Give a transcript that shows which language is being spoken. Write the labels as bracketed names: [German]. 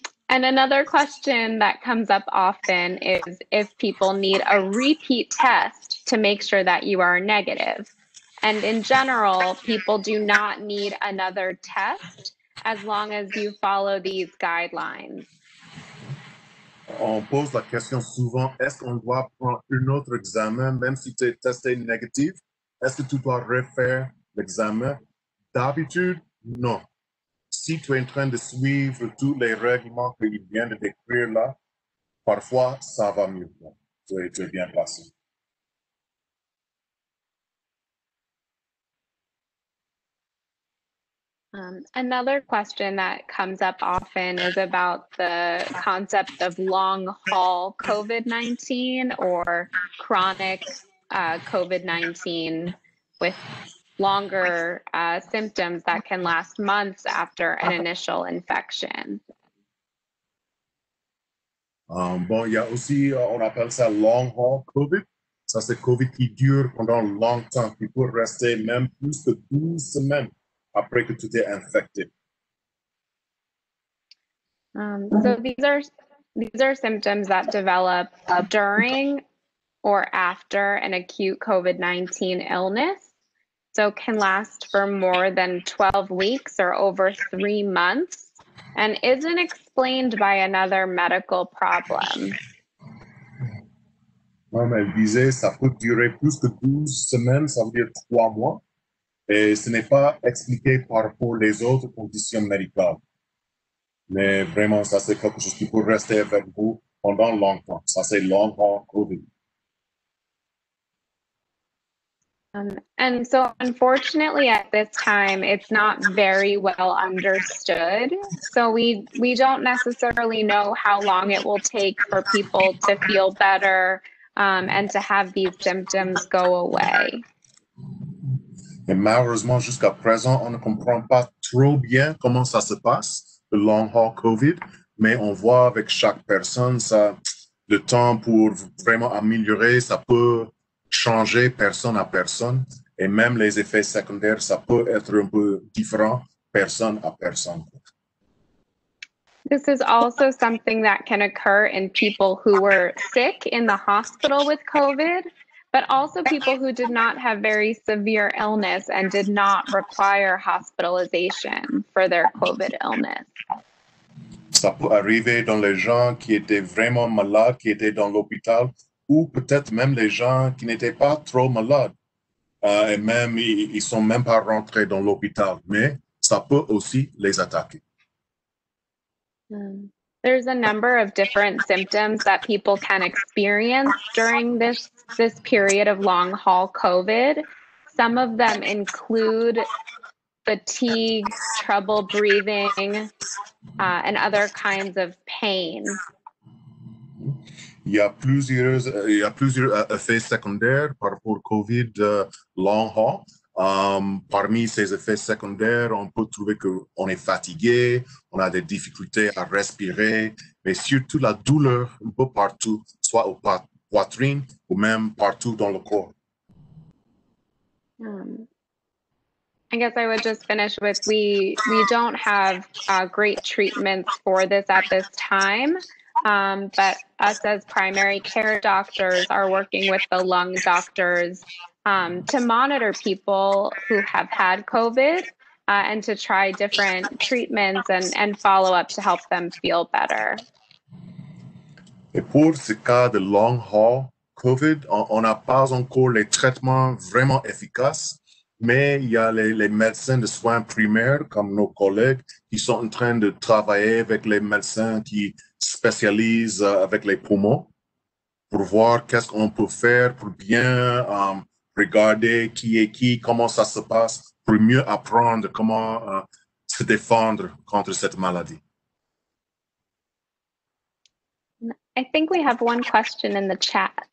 [English] And another question that comes up often is if people need a repeat test to make sure that you are negative. And in general, people do not need another test as long as you follow these guidelines. [French] On pose la question souvent, est-ce qu'on doit prendre un autre examen, même si tu es testé négatif? Est-ce que tu dois refaire l'examen? D'habitude, non. Si tu es en train de suivre tous les règlements qu'il vient de décrire là, parfois, ça va mieux. Tu es bien placé. [English] Another question that comes up often is about the concept of long haul COVID-19 or chronic COVID-19 with longer symptoms that can last months after an initial infection. [French] Bon, il y a aussi, on appelle ça long haul COVID. Ça, c'est COVID qui dure pendant longtemps, qui peut rester même plus de 12 semaines. Après que tu t'es infecté. [English] So these are symptoms that develop during or after an acute COVID-19 illness. So can last for more than 12 weeks or over 3 months, and isn't explained by another medical problem. [French] Comme elle disait, ça peut durer plus que 12 semaines, ça veut dire 3 mois. Et ce n'est pas expliqué par rapport aux autres conditions médicales. Mais vraiment, ça, c'est quelque chose qui peut rester avec vous pendant longtemps. Ça, c'est long haul COVID. [English] And so, unfortunately, at this time, it's not very well understood. So we don't necessarily know how long it will take for people to feel better and to have these symptoms go away. [French] Et malheureusement, jusqu'à présent, on ne comprend pas trop bien comment ça se passe, le long haul COVID, mais on voit avec chaque personne, ça, le temps pour vraiment améliorer, ça peut changer personne à personne, et même les effets secondaires, ça peut être un peu différent personne à personne. [English] This is also something that can occur in people who were sick in the hospital with COVID. But also people who did not have very severe illness and did not require hospitalization for their COVID illness. [French] Ça peut arriver dans les gens qui étaient vraiment malades, qui étaient dans l'hôpital, ou peut-être même les gens qui n'étaient pas trop malades. Et même, ils sont même pas rentrés dans l'hôpital. Mais ça peut aussi les attaquer. [English] There's a number of different symptoms that people can experience during this period of long haul COVID. Some of them include fatigue, trouble breathing, and other kinds of pain. [French] Il y a plusieurs effets secondaires par rapport au COVID long haul. Parmi ces effets secondaires, on peut trouver qu'on est fatigué, on a des difficultés à respirer, mais surtout la douleur un peu partout, soit au poitrine ou même partout dans le corps. [English] I guess I would just finish with, we don't have great treatments for this at this time, but us as primary care doctors are working with the lung doctors to monitor people who have had COVID and to try different treatments and follow up to help them feel better. [French] Et pour ce cas de long haul COVID, on n'a pas encore les traitements vraiment efficaces, mais il y a les médecins de soins primaires, comme nos collègues, qui sont en train de travailler avec les médecins qui spécialisent avec les poumons pour voir qu'est-ce qu'on peut faire pour bien regarder qui est qui, comment ça se passe, pour mieux apprendre comment se défendre contre cette maladie. [English] I think we have one question in the chat.